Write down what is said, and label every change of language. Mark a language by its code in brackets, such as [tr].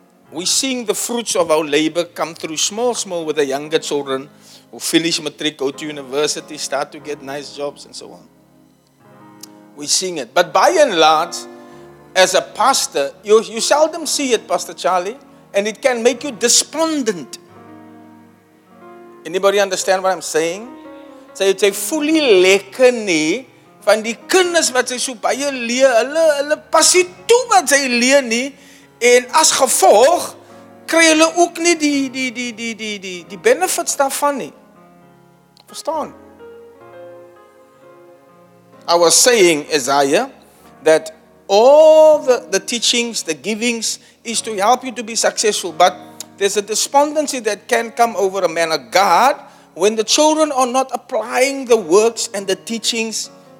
[en] We're seeing the fruits of our labor come through small with the younger children who finish matric, go to university, start to get nice jobs and so on. We're seeing it. But by and large, as a pastor, you seldom see it, Pastor Charlie, and it can make you despondent. Anybody understand what I'm saying? So you say, [af] fully lekker nie, van die kinders wat sy so baie leer, hulle pas nie toe wat sy leer nie. En as gevolg, kry hulle ook nie die benefits daarvan nie. Verstaan? [en] I was saying, Isaiah, that all the teachings, the givings, is to help you to be successful. But there's a despondency that can come over a man of God when the children are not applying the works and the teachings.